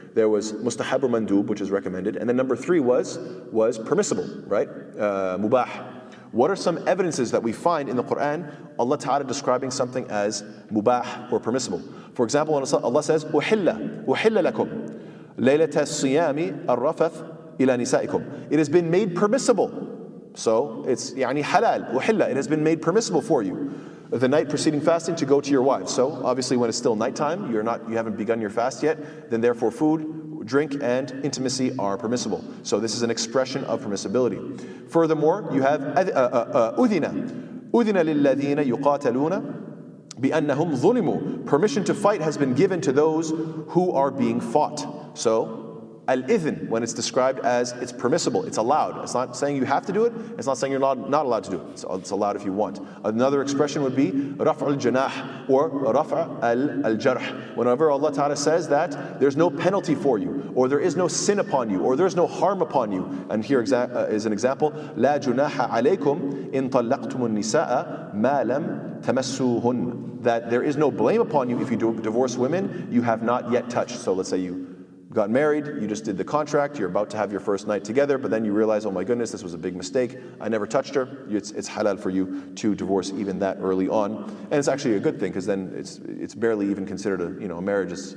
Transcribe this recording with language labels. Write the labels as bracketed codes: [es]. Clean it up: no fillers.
[en] There was mustahab or mandub, which is recommended. And then number three was permissible, right? Mubah. What are some evidences that we find in the Quran, Allah Ta'ala describing something as mubah or permissible? For example, when Allah says, uhilla, uhilla lakum. [ar] ليلتا الصيام الرفث إلى نسائكم. [en] It has been made permissible. So it's [ar] يعني حلال وحلة. [en] It has been made permissible for you. The night preceding fasting to go to your wives. So obviously when it's still nighttime, you haven't begun your fast yet, then therefore food, drink, and intimacy are permissible. So this is an expression of permissibility. Furthermore, you have أذنا. [ar] أذنا للذين يقاتلون بأنهم ظلموا. [en] Permission to fight has been given to those who are being fought. So Al-Ithn, when it's described as it's permissible, it's allowed. It's not saying you have to do it. It's not saying you're not allowed to do it. It's allowed if you want. Another expression would be رفع الجناح or رفع الجرح. Whenever Allah Ta'ala says that there's no penalty for you or there is no sin upon you or there's no harm upon you. And here is an example. [ar] لا جناح عليكم إن طلقتم النساء ما لم تمسوهن. [en] That there is no blame upon you if you divorce women you have not yet touched. So let's say you got married, you just did the contract, you're about to have your first night together, but then you realize, oh my goodness, this was a big mistake, I never touched her. It's halal for you to divorce even that early on. And it's actually a good thing, because then it's barely even considered a marriage.